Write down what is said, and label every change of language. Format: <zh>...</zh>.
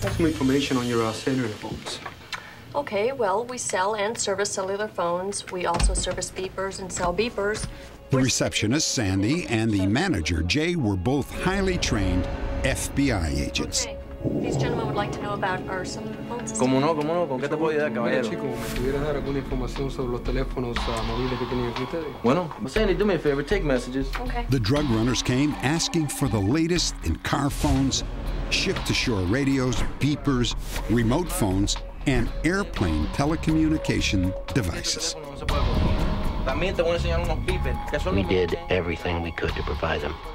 <en>What's some information on your cellular phones? Okay, well, we sell and service cellular phones. We also service beepers and sell beepers. The receptionist, Sandy, and the manager, Jay, were both highly trained FBI agents. Okay. These gentlemen would like to know about our cellular phones.</en> <es>Como no, como no, ¿con qué te puedo ayudar, caballero? Chico, ¿me pudieras dar alguna información sobre los teléfonos móviles que tienen ustedes?</es> <en>Bueno, Sandy, do me a favor, take messages. Okay. The drug runners came asking for the latest in car phones, ship-to-shore radios, beepers, remote phones, and airplane telecommunication devices. We did everything we could to provide them.</en>